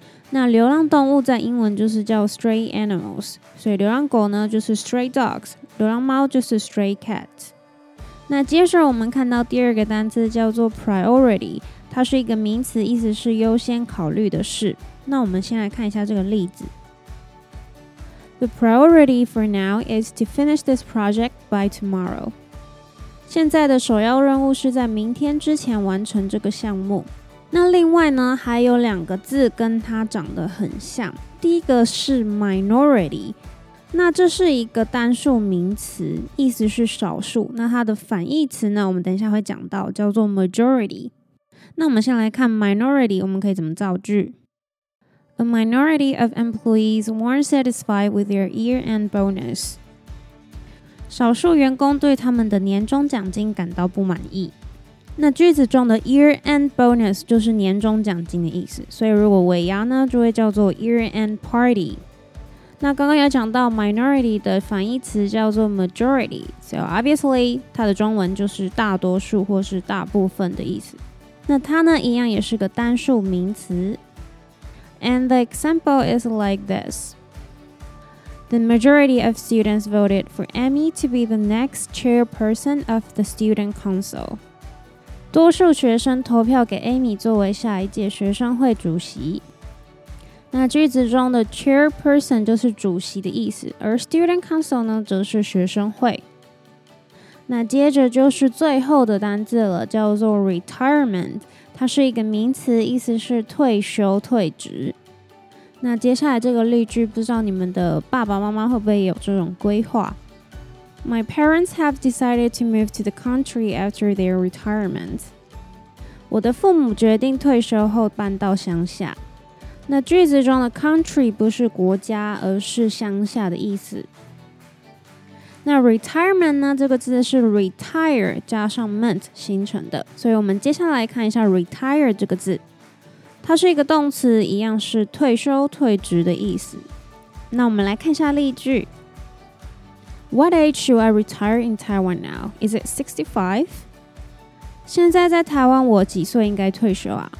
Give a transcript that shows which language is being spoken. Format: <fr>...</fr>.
<zh>那流浪动物在英文就是叫 stray animals， 所以流浪狗呢就是 stray dogs， 流浪猫就是 stray cat。那接着我们看到第二个单词叫做 priority， 它是一个名词，意思是优先考虑的事。那我们先来看一下这个例子。</zh> <en>The priority for now is to finish this project by tomorrow.</en> <zh>现在的首要任务是在明天之前完成这个项目。那另外呢，还有两个字跟它长得很像。第一个是 minority， 那这是一个单数名词，意思是少数。那它的反义词呢，我们等一下会讲到，叫做 majority。那我们先来看 minority， 我们可以怎么造句 ？</zh> <en>A minority of employees weren't satisfied with their year-end bonus.</en> <zh>少数员工对他们的年终奖金感到不满意。那句子中的 year end bonus 就是年终奖金的意思，所以如果尾牙呢，就会叫做 year end party。那刚刚有讲到 minority 的反义词叫做 majority，</zh> <en>so obviously</en> <zh>它的中文就是大多数或是大部分的意思。那它呢，一样也是个单数名词。</zh> <en>And the example is like this. The majority of students voted for Emmy to be the next chairperson of the student council.</en> <zh>多数学生投票给 Amy 作为下一届学生会主席。那句子中的 chairperson 就是主席的意思，而 student council 呢则是学生会。那接着就是最后的单字了，叫做 retirement， 它是一个名词，意思是退休退职。那接下来这个例句，不知道你们的爸爸妈妈会不会有这种规划？</zh> <en>My parents have decided to move to the country after their retirement.</en> <zh>我的父母决定退休后搬到乡下。那句子中的 country 不是国家，而是乡下的意思。那 retirement 呢？这个字是 retire 加上 ment 形成的，所以我们接下来看一下 retire 这个字，它是一个动词，一样是退休、退职的意思。那我们来看一下例句。</zh> <en>What age should I retire in Taiwan now? Is it 65?</en> <zh>现在在台湾我几岁应该退休啊？</zh>